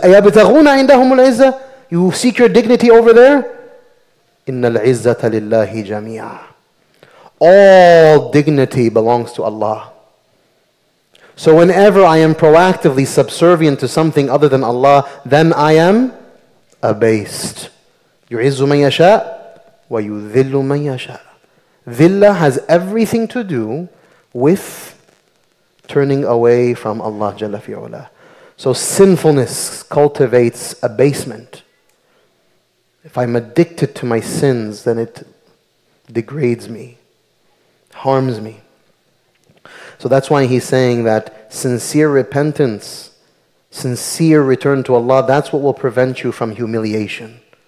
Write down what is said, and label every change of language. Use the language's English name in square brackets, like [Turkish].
[Arabic] أَيَبْتَغُونَ عِنْدَهُمُ الْعِزَّةِ [English] You seek your dignity over there? [Arabic] إِنَّ الْعِزَّةَ لِلَّهِ جَمِيعًا [English] All dignity belongs to Allah. So whenever I am proactively subservient to something other than Allah, then I am abased. [Arabic] يُعِزُّ مَنْ يَشَاءُ وَيُذِلُّ مَنْ يَشَاءُ ذِلَّة [English] has everything to do with turning away from Allah [Arabic] جل في علا. [English] So sinfulness cultivates abasement. If I'm addicted to my sins, then it degrades me, harms me. So that's why he's saying that sincere repentance, sincere return to Allah, that's what will prevent you from humiliation.